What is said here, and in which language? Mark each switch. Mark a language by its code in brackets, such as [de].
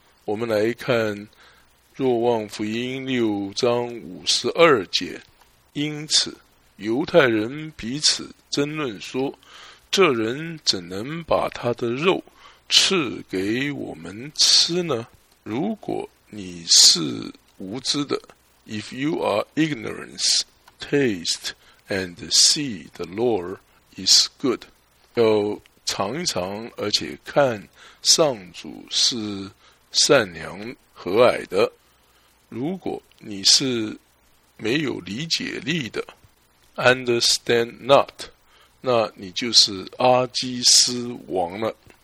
[zh] 我们来看若望福音6:52，因此犹太人彼此争论说，这人怎能把他的肉赐给我们吃呢？如果你是无知的， [en] If you are ignorant, taste and see the Lord is good. [zh] 要尝一尝而且看上主是善良和蔼的。如果你是没有理解力的， [en] understand not, [zh] 那你就是阿基斯王了。